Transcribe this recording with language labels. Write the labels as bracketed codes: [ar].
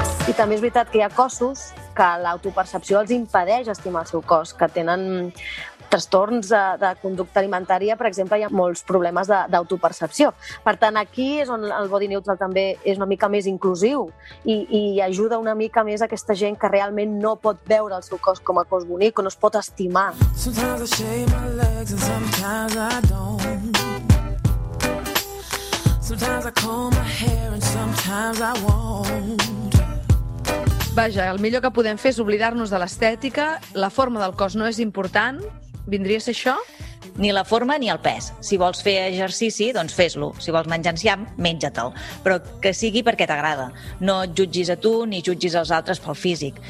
[ca] I també és veritat que hi ha cossos que l'autopercepció els impedeix estimar el seu cos, que tenen trastorns de conducta alimentària, per exemple, hi ha molts problemes d'autopercepció. Per tant, aquí és on el Body Neutral també és una mica més inclusiu i ajuda una mica més aquesta gent que realment no pot veure el seu cos com a cos bonic o no es pot estimar. [en] Sometimes I shave my legs and sometimes I don't. Sometimes I comb my hair and sometimes I won't. [ca] Vaja, el millor que podem fer és oblidar-nos de l'estètica, la forma del cos no és important. Vindria a ser això? ni la forma ni el pes. Si vols fer exercici, doncs fes-lo. Si vols menjar enciam, menja-te'l. Però que sigui perquè t'agrada. No et jutgis a tu ni jutgis als altres pel físic.